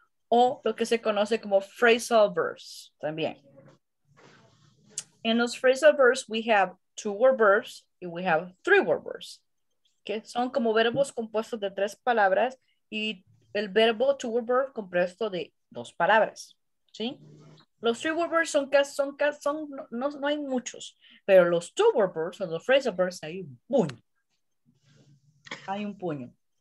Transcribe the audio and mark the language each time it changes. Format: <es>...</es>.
<es>O lo que se conoce como phrasal verbs también.</es> <en>In those phrasal verbs, we have tuber verbs and we have three-word verbs.</en> <es>Que son como verbos compuestos de tres palabras y el verbo to word verb compuesto de dos palabras, ¿sí? Los three word verbs son no, no hay muchos, pero los two word verbs, los phrasal verbs, hay un puño.</es>